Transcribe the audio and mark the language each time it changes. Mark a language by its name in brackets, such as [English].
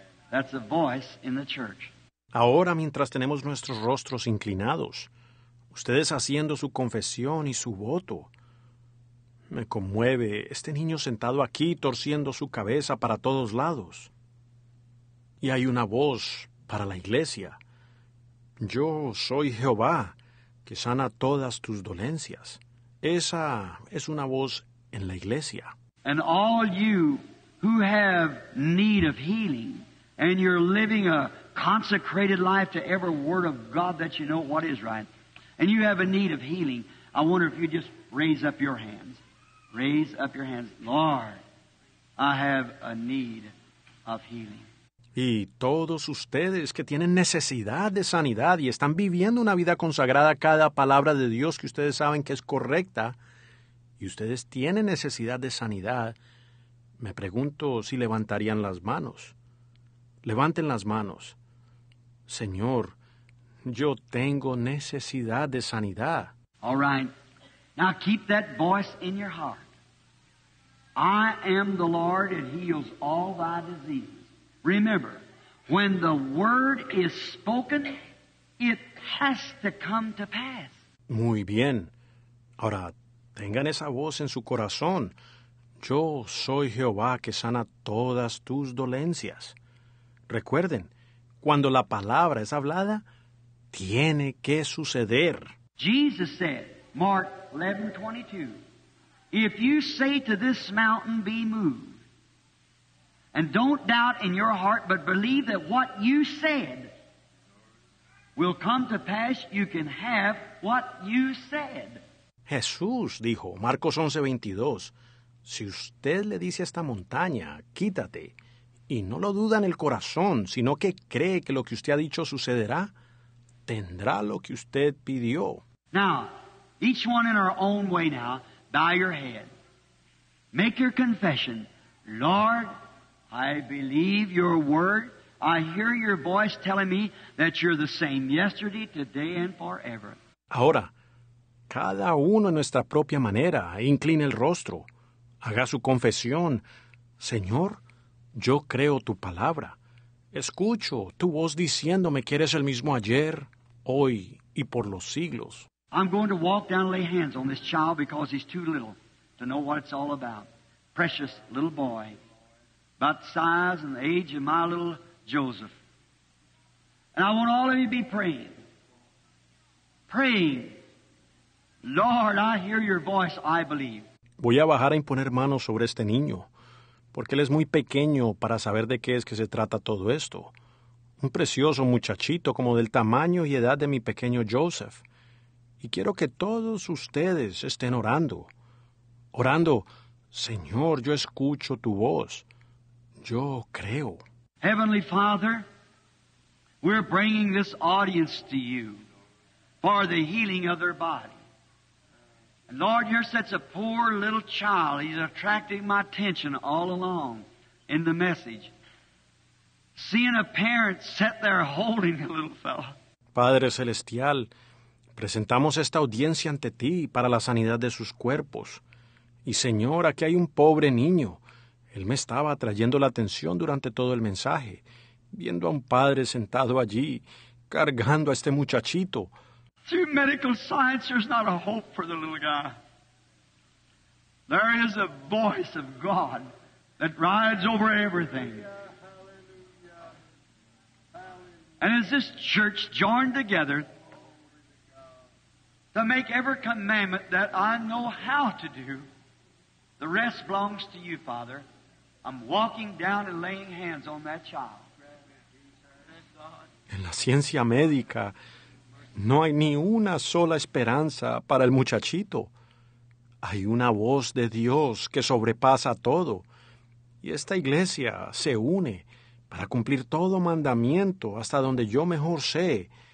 [English] That's a voice in the church. [Spanish] Ahora, mientras tenemos nuestros rostros inclinados, ustedes haciendo su confesión y su voto, me conmueve este niño sentado aquí torciendo su cabeza para todos lados. Y hay una voz para la iglesia. Yo soy Jehová, que sana todas tus dolencias. Esa es una voz en la iglesia. [English] And all you who have need of healing and you're living a consecrated life to every word of God that you know what is right and you have a need of healing, I wonder if you just raise up your hands. Raise up your hands. Lord, I have a need of healing. [Spanish] Y todos ustedes que tienen necesidad de sanidad y están viviendo una vida consagrada a cada palabra de Dios que ustedes saben que es correcta, y ustedes tienen necesidad de sanidad, me pregunto si levantarían las manos. Levanten las manos. Señor, yo tengo necesidad de sanidad. [English] All right. Now keep that voice in your heart. I am the Lord that heals all thy diseases. Remember, when the word is spoken, it has to come to pass. [Spanish] Muy bien. Ahora, tengan esa voz en su corazón. Yo soy Jehová que sana todas tus dolencias. Recuerden, cuando la palabra es hablada, tiene que suceder. [English] Jesus said, Mark 11:22, if you say to this mountain, be moved, and don't doubt in your heart, but believe that what you said will come to pass, you can have what you said. [Spanish] Jesús dijo, Marcos 11:22, si usted le dice a esta montaña, quítate, y no lo duda en el corazón, sino que cree que lo que usted ha dicho sucederá, tendrá lo que usted pidió. [English] Now, each one in our own way now, bow your head. Make your confession. Lord, I believe your word. I hear your voice telling me that you're the same yesterday, today, and forever. [Spanish] Ahora, cada uno en nuestra propia manera, incline el rostro. Haga su confesión. Señor, yo creo tu palabra. Escucho tu voz diciéndome que eres el mismo ayer, hoy y por los siglos. [English] I'm going to walk down and lay hands on this child because he's too little to know what it's all about. Precious little boy, about the size and the age of my little Joseph. And I want all of you to be praying. Praying. Lord, I hear your voice, I believe. [Spanish] Voy a bajar a imponer manos sobre este niño, porque él es muy pequeño para saber de qué es que se trata todo esto. Un precioso muchachito como del tamaño y edad de mi pequeño Joseph. Y quiero que todos ustedes estén orando. Orando, Señor, yo escucho tu voz. Yo creo. [English] Heavenly Father, we're bringing this audience to you for the healing of their body. And Lord, here sits a poor little child. He's attracting my attention all along in the message. Seeing a parent sit there holding the little fellow. [Spanish] Padre Celestial, presentamos esta audiencia ante ti para la sanidad de sus cuerpos. Y Señor, aquí hay un pobre niño. Él me estaba atrayendo la atención durante todo el mensaje, viendo a un padre sentado allí, cargando a este muchachito. [English] Through medical science, there's not a hope for the little guy. There is a voice of God that rides over everything. And as this church joined together to make every commandment that I know how to do, the rest belongs to you, Father. I'm walking down and laying hands on that child. [Spanish] En la ciencia médica, no hay ni una sola esperanza para el muchachito. Hay una voz de Dios que sobrepasa todo. Y esta iglesia se une para cumplir todo mandamiento hasta donde yo mejor sé.